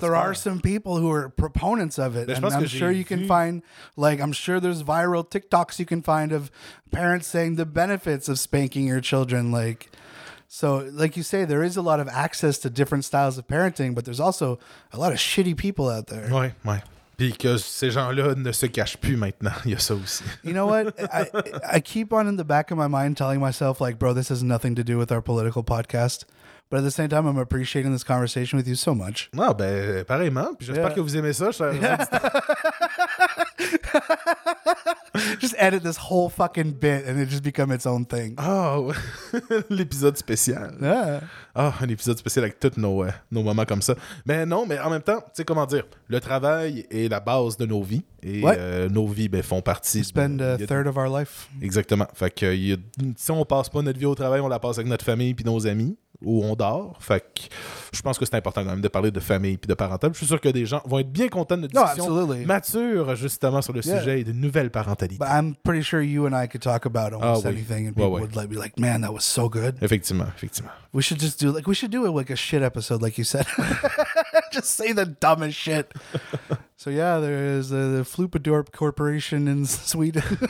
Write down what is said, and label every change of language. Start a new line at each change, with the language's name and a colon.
English: There are some people who are proponents of it. Mais and I'm sure you can find, like, I'm sure there's viral TikToks you can find of parents saying the benefits of spanking your children. Like, so, like you say, there is a lot of access to different styles of parenting, but there's also a lot of shitty people out there.
French: Oui, oui. Puis que ces gens-là ne se cachent plus maintenant. Il y a ça aussi.
English: You know what? I keep on in the back of my mind telling myself, like, bro, this has nothing to do with our political podcast. But at the same time, I'm appreciating this conversation with you so much.
French: Ah, ben, pareillement. Puis j'espère que vous aimez ça, cher.
English: Just edit this whole fucking bit and it just become its own thing.
French: Oh, l'épisode spécial.
English: Yeah.
French: Oh, un épisode spécial avec tous nos moments comme ça. Mais non, mais en même temps, tu sais comment dire, le travail est la base de nos vies. Et nos vies font partie.
English: We spend a third of our life.
French: Exactement. Fait que si on passe pas notre vie au travail, on la passe avec notre famille puis nos amis. où on dort. Fait que je pense que c'est important quand même de parler de famille et de parentèle. Je suis sûr que des gens vont être bien contents de notre discussion mature justement sur le sujet et de nouvelles parentalités.
English: But I'm pretty sure you and I could talk about almost anything and people would like be like, man, that was so good.
French: Effectivement, effectivement.
English: We should just do like, we should do it like a shit episode, like you said. Just say the dumbest shit. So yeah, there is the Flupadorp Corporation in Sweden.